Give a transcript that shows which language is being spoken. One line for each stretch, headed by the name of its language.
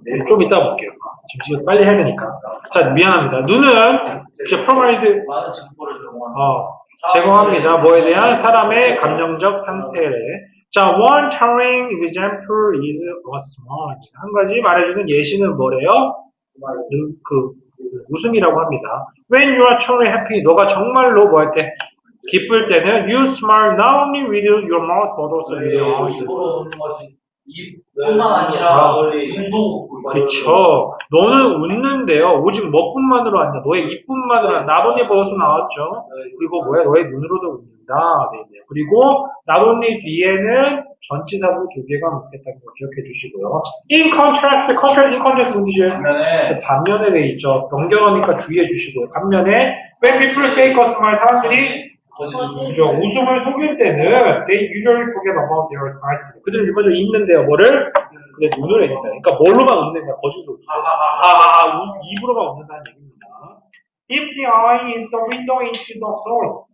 Korean: 네, 좀 이따 볼게요. 지금 빨리 해야 되니까. 자, 미안합니다. 눈은 이제 프로바이드 많은 정보를 제공합니다. 뭐에 대한 사람의 감정적 상태에.
English: 자, one telling example is a smile.
Korean: 한 가지 말해주는 예시는 뭐래요? 그 웃음이라고 합니다.
English: When you are truly happy,
Korean: 너가 정말로 뭐할 때 기쁠 때는
English: you smile not only with your mouth but also with your eyes.
Korean: 입뿐만 아니라 눈도 그쵸. 너는 웃는데요. 오직 뭐뿐만으로 아니라 너의 입뿐만으로 아니라
English: not only
Korean: 벌써 나왔죠. 그리고 뭐야 너의 눈으로도 웃는다. 네네. 그리고
English: not only
Korean: 뒤에는 전치사로 두 개가 묶였다는 거 기억해 주시고요.
English: In contrast, contrast, in contrast 뭔 뜻이에요?
Korean: 반면에. 반면에 돼 있죠. 연결하니까 주의해 주시고요.
English: 반면에 when people fake a smile
Korean: 사람들이 웃음을 속일 때는
English: they usually forget about their eyes.
Korean: 그들은 일반적으로 있는데요. 뭐를? 근데 눈으로 있는다. 그러니까 뭘로만 웃는다. 거짓으로. 입으로만 웃는다는 얘기입니다.
English: If the eye is the window into the soul.